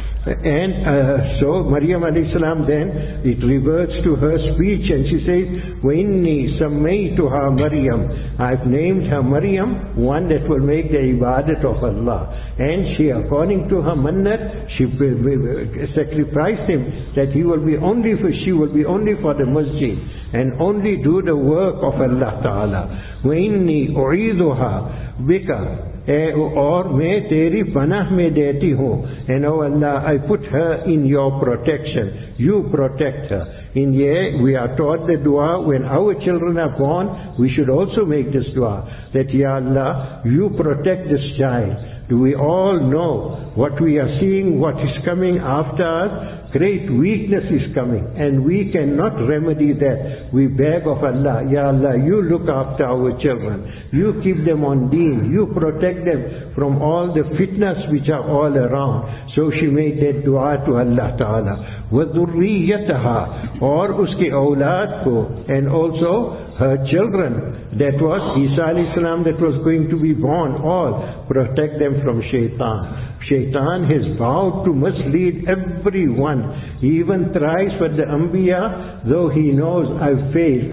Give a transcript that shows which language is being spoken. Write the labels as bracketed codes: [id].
[en] And so Maryam alayhi salam, then it reverts to her speech and she says, [ar] Wainni sammaituha Maryam, [en] I've named her Maryam, one that will make the ibadat of Allah. And she, according to her mannat, she sacrificed him that she will be only for the masjid and only do the work of Allah Ta'ala. [ar] Wainni u'iduha bika, [ur] اور میں تیری پناہ میں دیتی ہوں. [en] And oh Allah, I put her in your protection. You protect her. In here, we are taught the dua when our children are born. We should also make this dua. That Ya Allah, you protect this child. Do we all know what we are seeing, what is coming after us? Great weakness is coming and we cannot remedy that. We beg of Allah, Ya Allah, you look after our children. You keep them on deen. You protect them from all the fitnas which are all around. So she made that dua to Allah Ta'ala. [ar] وَذُرِّيَّتَهَا, [ur] اور اس کے اولاد کو. [en] And also her children, that was Isa alayhi salam that was going to be born, all protect them from shaitan. Shaitan has vowed to mislead everyone. He even tries with the Anbiya, though he knows I've failed.